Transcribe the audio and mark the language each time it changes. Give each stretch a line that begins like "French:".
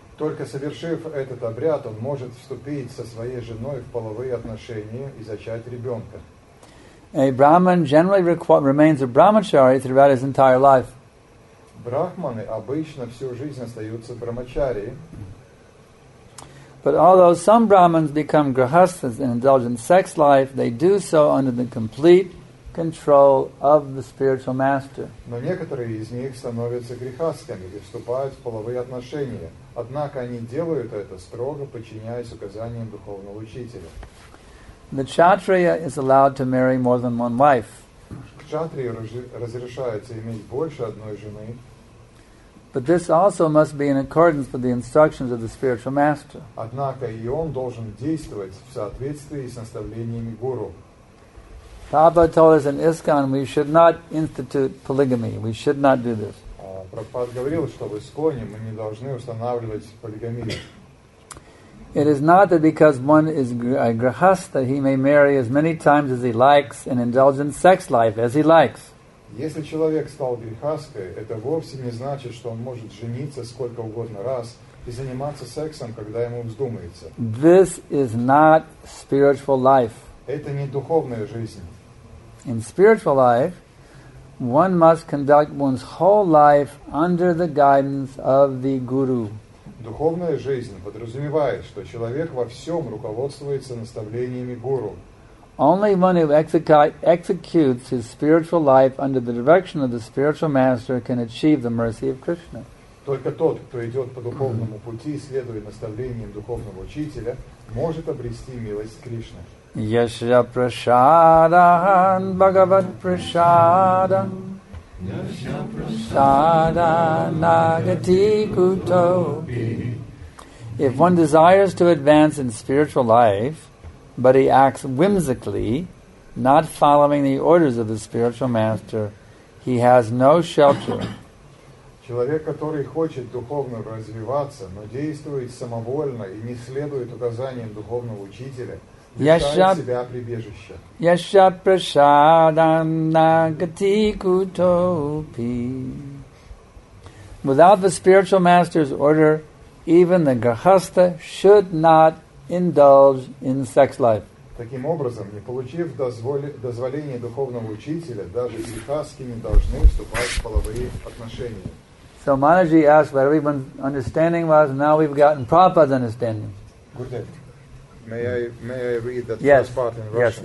Russian: Только совершив этот обряд, он может вступить со своей женой в половые отношения и зачать ребенка.
English: A Brahman generally remains a brahmachari throughout his entire life.
Russian: Брахманы обычно всю жизнь остаются брахмачари.
English: But although some Brahmins become grihasthas and indulge in sex life, they do so under the complete control of the spiritual master.
Russian: Но некоторые из них становятся грихастхами и вступают в половые отношения. Однако они делают это строго, подчиняясь указаниям духовного учителя.
English: The kshatriya is allowed to marry more than one wife.
Russian: Кшатрия разрешается иметь больше одной жены.
English: But this also must be in accordance with the instructions of the spiritual master.
Russian: Однако и он должен действовать в соответствии с наставлениями гуру.
English: Prabhupada told us in ISKCON we should not institute polygamy. We should not do this.
Russian: Prabhupada говорил, что в ИСКОНе мы не должны устанавливать полигамию.
English: It is not that because one is a grihastha, he may marry as many times as he likes and indulge in sex life as he likes.
Russian: Если человек стал грихастой, это вовсе не значит, что он может жениться сколько угодно раз и заниматься сексом, когда ему вздумается.
English: This is not spiritual life.
Russian: Это не духовная жизнь.
English: In spiritual life, one must conduct one's whole life under the guidance of the Guru.
Russian: Духовная жизнь подразумевает, что человек во всем руководствуется наставлениями Гуру.
English: Only one who executes his spiritual life under the direction of the spiritual master can achieve the mercy of Krishna.
Russian: Только тот, кто идет по духовному пути, следуя наставлениям духовного учителя, может обрести милость Кришны.
Sanskrit: Yasya prasadam bhagavat prasadam Yasya prasadam nagati kuto.
English: If one desires to advance in spiritual life, but he acts whimsically, not following the orders of the spiritual master, he has no shelter.
Russian: Человек, который хочет духовно развиваться, но действует самовольно и не следует указаниям духовного учителя,
Sanskrit: Yasya prasadam nagati kutopi.
English: Without the spiritual master's order, even the grihastha should not indulge in sex life.
Russian: Таким образом, не получив дозволения духовного учителя, даже грихастхи не должны вступать в половые отношения.
English: So Manaji asked what everyone's understanding was, now we've gotten Prabhupada's understanding. Gurudev. May I read that yes. First part in Russian?